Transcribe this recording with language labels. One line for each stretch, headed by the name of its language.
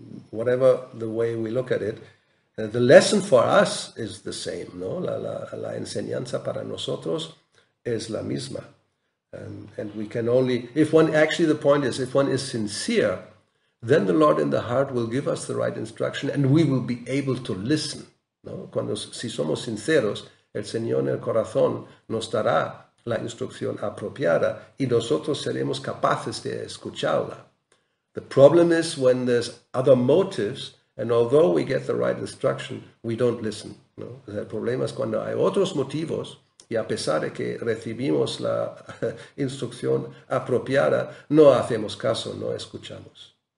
English: Whatever the way we look at it, the lesson for us is the same, no?
Spanish: La enseñanza para nosotros es la misma.
English: And we can only, the point is, if one is sincere, then the Lord in the heart will give us the right instruction and we will be able to listen.
Spanish: No? Cuando, si somos sinceros, el Señor en el corazón nos dará la instrucción apropiada y nosotros seremos capaces de escucharla.
English: The problem is when there's other motives, and although we get the right instruction, we don't listen.
Spanish: No? El problema es cuando hay otros motivos y a pesar de que recibimos la instrucción apropiada, no hacemos caso, no escuchamos.